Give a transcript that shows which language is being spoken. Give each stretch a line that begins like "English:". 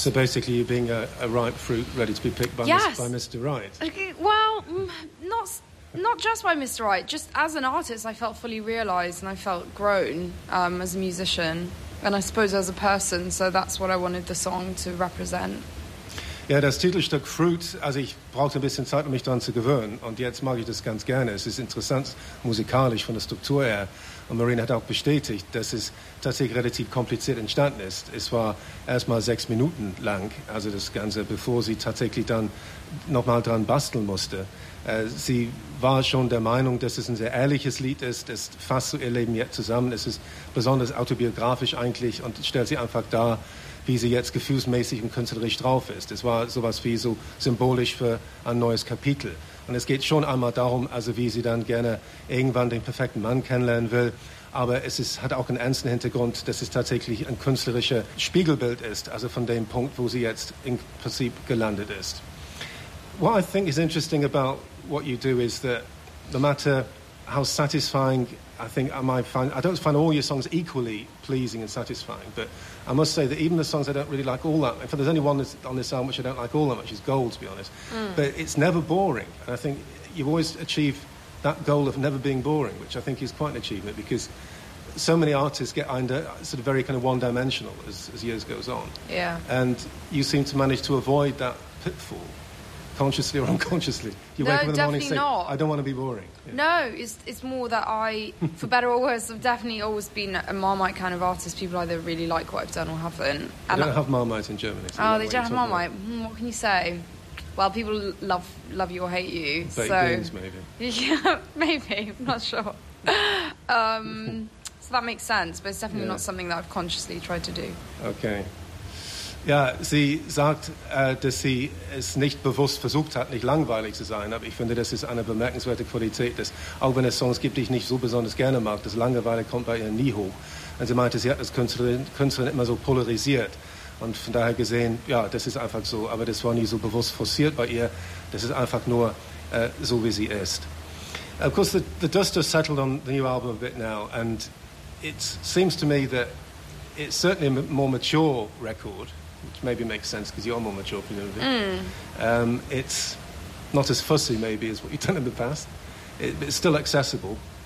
English: So basically you being a ripe fruit ready to be picked by, yes. by Mr. Right. Well, not just by Mr. Right. Just as an artist, I felt fully realised and I felt grown as a musician and I suppose as a person. So that's what I wanted the song to represent.
German: Ja, das Titelstück Fruit, also ich brauchte ein bisschen Zeit, um mich daran zu gewöhnen. Und jetzt mag ich das ganz gerne. Es ist interessant, musikalisch von der Struktur her. Und Marina hat auch bestätigt, dass es tatsächlich relativ kompliziert entstanden ist. Es war erstmal 6 Minuten lang, also das Ganze, bevor sie tatsächlich dann nochmal dran basteln musste. Sie war schon der Meinung, dass es ein sehr ehrliches Lied ist. Es fasst so ihr Leben jetzt zusammen. Es ist besonders autobiografisch eigentlich und stellt sie einfach dar, wie sie jetzt gefühlsmäßig und künstlerisch drauf ist. Es war sowas wie so symbolisch für ein neues Kapitel. Und es geht schon einmal darum, also wie sie dann gerne irgendwann den perfekten Mann kennenlernen will. Aber es ist, hat auch einen ernsten Hintergrund, dass es tatsächlich ein künstlerisches Spiegelbild ist, also von dem Punkt, wo sie jetzt im Prinzip gelandet ist.
English: What I think is interesting about what you do is that no matter how satisfying I think I might find, I don't find all your songs equally pleasing and satisfying, but I must say that even the songs I don't really like all that, in fact, there's only one on this album which I don't like all that much, is Gold, to be honest. Mm. But it's never boring. And I think you always achieve that goal of never being boring, which I think is quite an achievement, because so many artists get under sort of very kind of one-dimensional as years goes on. Yeah. And you seem to manage to avoid that pitfall. Consciously or unconsciously, you wake up in the morning saying, "I don't want to be boring." Yeah. No, it's more that I, for better or worse, I've definitely always been a Marmite kind of artist. People either really like what I've done or haven't. And they don't have Marmite in Germany. So oh, they don't have Marmite. About. What can you say? Well, people love you or hate you. Baked beans, maybe. Yeah, maybe. I'm not sure. so that makes sense, but it's definitely not something that I've consciously tried to do. Okay.
German: Ja, sie sagt, dass sie es nicht bewusst versucht hat, nicht langweilig zu sein. Aber ich finde, das ist eine bemerkenswerte Qualität, dass auch wenn es Songs gibt, die ich nicht so besonders gerne mag, das Langeweile kommt bei ihr nie hoch. Und sie meinte, sie hat das Künstlerin immer so polarisiert. Und von daher gesehen, ja, das ist einfach so. Aber das war nie so bewusst forciert bei ihr. Das ist einfach nur so, wie sie ist.
English: Of course, the dust has settled on the new album a bit now. And it seems to me that it's certainly a more mature record, which maybe makes sense because you're more mature, presumably. Mm. It's not as fussy, maybe, as what you've done in the past. It's still accessible.